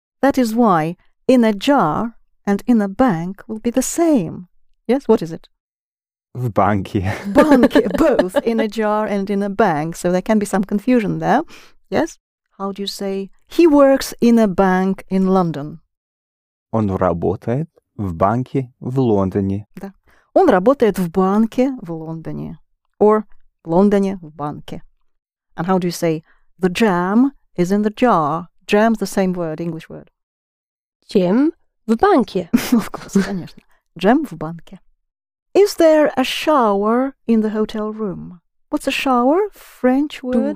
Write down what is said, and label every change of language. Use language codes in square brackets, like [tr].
[en] That is why in a jar and in a bank will be the same. Yes, what is it? [ru] В банке. [en] Банке, both in a jar and in a bank. So there can be some confusion there. Yes? How do you say he works in a bank in London? [ru] Он работает. В банке в Лондоне. Да. Он работает в банке в Лондоне. Or в Лондоне в банке. [en] And how do you say the jam is in the jar? Jam is the same word, English word. [ru] Jam в банке. [en] Of course, [ru] конечно. Jam в банке. [en] Is there a shower in the hotel room? What's a shower? French word.